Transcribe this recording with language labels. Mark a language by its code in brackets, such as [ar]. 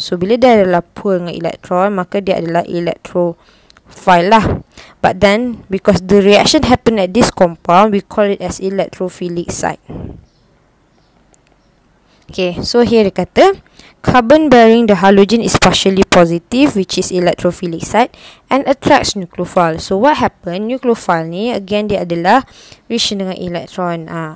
[ms] So bila dia adalah poor dengan elektron, maka dia adalah electrophile lah. [en] But then because the reaction happen at this compound, we call it as electrophilic site. Okay, so here [ms] dia kata [en] carbon bearing the halogen is partially positive, which is electrophilic site, and attracts nucleophile. So what happen, nucleophile ni again dia adalah reaction dengan elektron.